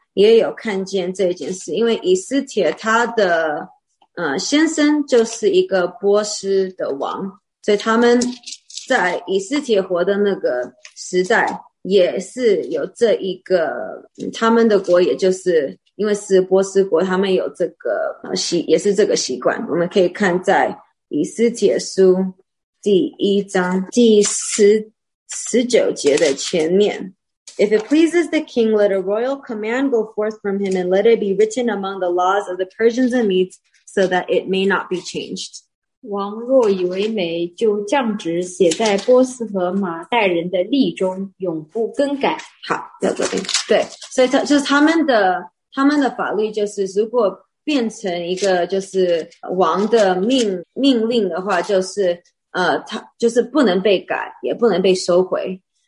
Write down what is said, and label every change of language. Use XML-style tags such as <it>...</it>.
<zh>也有看见这件事，因为以斯帖他的先生就是一个波斯的王，所以他们在以斯帖活的那个时代也是有这一个他们的国，也就是因为是波斯国，他们有这个也是这个习惯。我们可以看在以斯帖书第1章第19节的前面。</zh> <en>If it pleases the king, let a royal command go forth from him and let it be written among the laws of the Persians and Medes so that it may not be changed.</en> <zh>王若以为美，就降旨写在波斯和马代人的历中，永不更改。好，要这边。对，所以就是他们的法律，就是如果变成一个就是王的命令的话，就是他就是不能被改，也不能被收回。</zh>